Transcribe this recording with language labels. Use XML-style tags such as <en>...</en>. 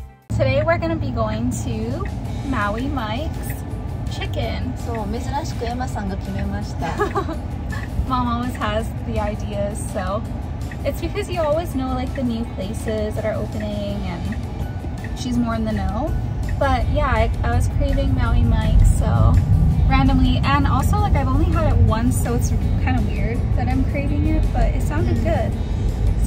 <en>today we're gonna be going to Maui Mike's Chicken.</en> <ja>そう、珍しくエマさんが決めました。</ja> <en>Mom always has the ideas, so it's because you always know like the new places that are opening and she's more in the know. But yeah, I was craving Maui Mike's so randomly. And also like I've only had it once, so it's kind of weird that I'm craving it, but it sounded mm-hmm. good.</en>